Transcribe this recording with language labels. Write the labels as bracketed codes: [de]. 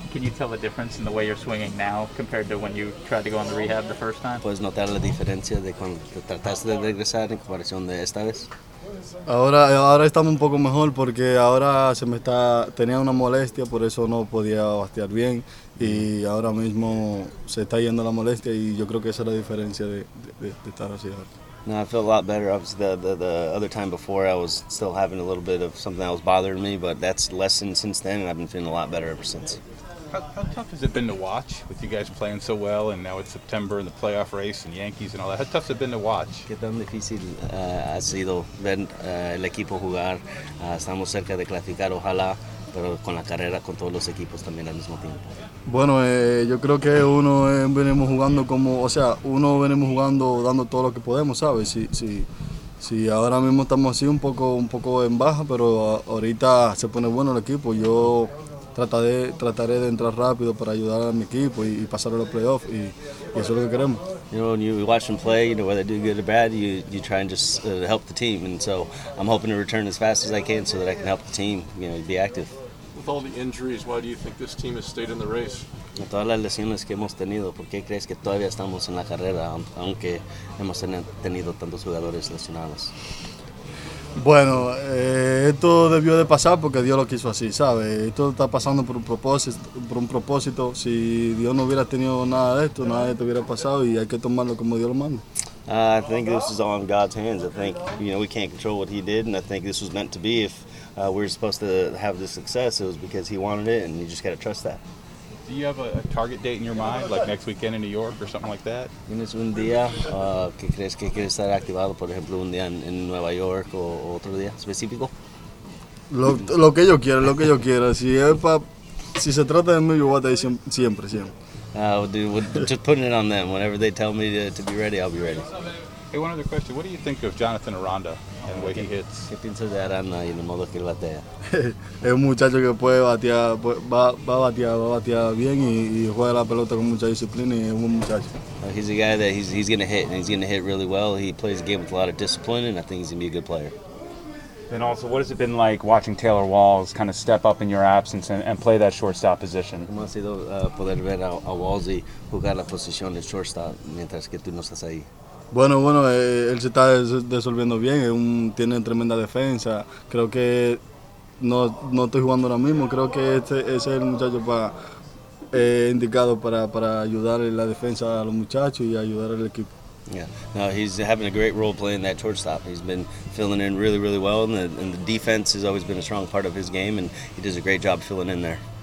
[en] Can you tell the difference in the way you're swinging now compared to when you tried to go on the rehab the first time? [es] ¿Puedes notar la diferencia de cuando trataste de regresar en comparación de esta vez? Ahora estamos un poco mejor porque ahora tenía una molestia, por eso no podía batear bien. Y ahora mismo se está yendo la molestia y yo creo que esa es la diferencia de estar así ahora. [en] No, I feel a lot better. Obviously, the other time before, I was still having a little bit of something that was bothering me, but that's lessened since then, and I've been feeling a lot better ever since. How tough has it been to watch with you guys playing so well, and now it's September and the playoff race and Yankees and all that? How tough has it been to watch? [es] ¿Qué tan difícil ha sido ver el equipo jugar? Estamos cerca de clasificar, ojalá, pero con la carrera, con todos los equipos también al mismo tiempo. Bueno, yo creo que uno venimos jugando como, o sea, uno venimos jugando dando todo lo que podemos, ¿sabes? Sí, ahora mismo estamos así un poco en baja, pero ahorita se pone bueno el equipo. Yo trataré de entrar rápido para ayudar a mi equipo y pasar a los playoffs y eso es lo que queremos. [en] You know, when you watch them play, you know, whether they do good or bad, you try and just help the team. And so I'm hoping to return as fast as I can so that I can help the team, you know, be active. With all the injuries, why do you think this team has stayed in the race? [es] Con todas las lesiones que hemos tenido, ¿por qué crees que todavía estamos en la carrera, aunque hemos tenido tantos jugadores lesionados? Bueno, esto debió de pasar porque Dios lo quiso así, ¿sabe? Esto está pasando por un propósito. Si Dios no hubiera tenido nada de esto, nada de esto hubiera pasado y hay que tomarlo como Dios lo manda. [en] I think this is all in God's hands. I think, you know, we can't control what he did, and I think this was meant to be. If we're supposed to have this success, it was because he wanted it, and you just got to trust that. Do you have a target date in your mind, like next weekend in New York or something like that? [es] ¿Tienes un día que crees que quieres estar activado, por ejemplo, un día en Nueva York o otro día específico? Lo que yo quiera. Si se trata de mí, yo voy a estar siempre. [en] Just putting it on them. Whenever they tell me to be ready, I'll be ready. Hey, one other question. What do you think of Jonathan Aranda and the way he hits? [es] ¿Qué piensas de Aranda y el modo que él batea? Es un muchacho que puede batear, va a batear bien y juega la pelota con mucha disciplina y es un muchacho. [en] He's a guy that he's going to hit, and he's going to hit really well. He plays the game with a lot of discipline, and I think he's going to be a good player. And also, what has it been like watching Taylor Walls kind of step up in your absence and play that shortstop position? [es] ¿Cómo ha sido poder ver a Walls y jugar la posición de shortstop mientras que tú no estás ahí? Bueno, él se está desenvolviendo bien, tiene tremenda defensa. Creo que no estoy jugando ahora mismo, creo que ese es el muchacho indicado para ayudar en la defensa a los muchachos y ayudar al equipo. [en] Yeah, no, he's having a great role playing that shortstop. He's been filling in really, really well, and the defense has always been a strong part of his game, and he does a great job filling in there.